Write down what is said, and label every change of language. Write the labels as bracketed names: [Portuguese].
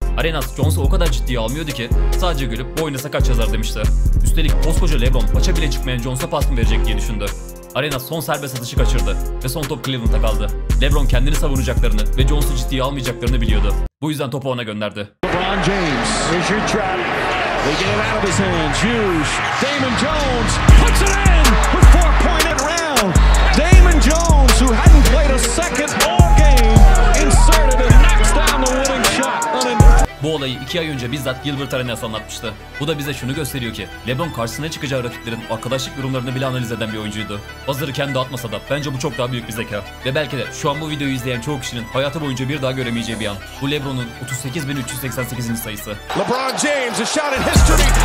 [Turkish] Arenas Jones'u o kadar ciddiye almıyordu ki sadece gülüp "Bu oyuna sakat yazar" demişti. Üstelik koskoca LeBron maça bile çıkmayan Jones'a pas mı verecek diye düşündü. Arenas son serbest atışı kaçırdı ve son top Cleveland'a kaldı. LeBron kendini savunacaklarını ve Jones'u ciddiye almayacaklarını biliyordu. Bu yüzden topu ona gönderdi. [English] LeBron James. Richard Trapp. They get it out of his hands. Hughes. Damon Jones. Puts it in. With 4-pointed round. Damon Jones, who hadn't played a second all game, inserted and knocks down the winning shot. [Turkish] Bu olayı 2 ay önce bizzat Gilbert Arenas anlatmıştı. Bu da bize şunu gösteriyor ki LeBron karşısına çıkacağı rakiplerin arkadaşlık durumlarını bile analiz eden bir oyuncuydu. Buzzer'ı kendi atmasa da bence bu çok daha büyük bir zeka. Ve belki de şu an bu videoyu izleyen çoğu kişinin hayatı boyunca bir daha göremeyeceği bir an. Bu LeBron'un 38.388. sayısı. [English] LeBron James, a shot in history!